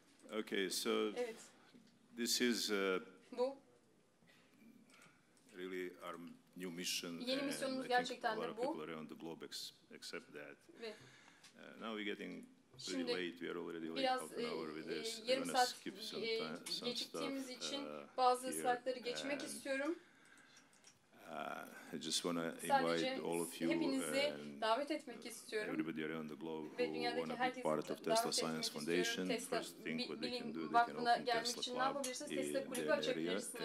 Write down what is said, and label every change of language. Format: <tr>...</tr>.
<en>Okay, so this is really our new mission.</en> <tr>Yeni misyonumuz gerçekten de bu.</tr> <en>A lot of people around the globe accept that. Now we're getting pretty late. We are already late half an hour with this.</en> <tr>Yarım saat geciktiğimiz için bazı saatleri geçmek istiyorum.</tr> <en>I just want to invite all of you everybody around the globe who want to be part of Tesla Science Foundation. Tesla, first thing, what they can do, they can open Tesla Club in their area.</en>